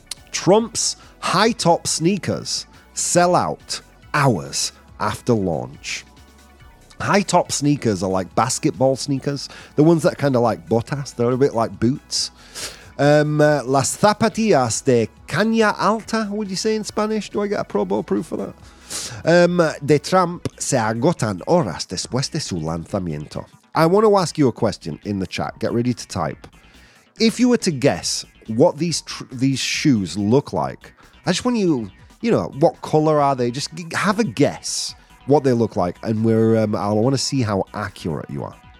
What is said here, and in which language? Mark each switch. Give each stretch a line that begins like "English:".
English: Trump's high-top sneakers sell out hours after launch. High-top sneakers are like basketball sneakers. The ones that are kind of like botas. They're a bit like boots. Las zapatillas de caña alta, would you say in Spanish? Do I get a Provo proof for that?
Spanish: De Trump se agotan horas después de su lanzamiento.
English: I want to ask you a question in the chat. Get ready to type. If you were to guess what these shoes look like, I just want you know, what color are they? Just have a guess what they look like, and I want to see how accurate you are.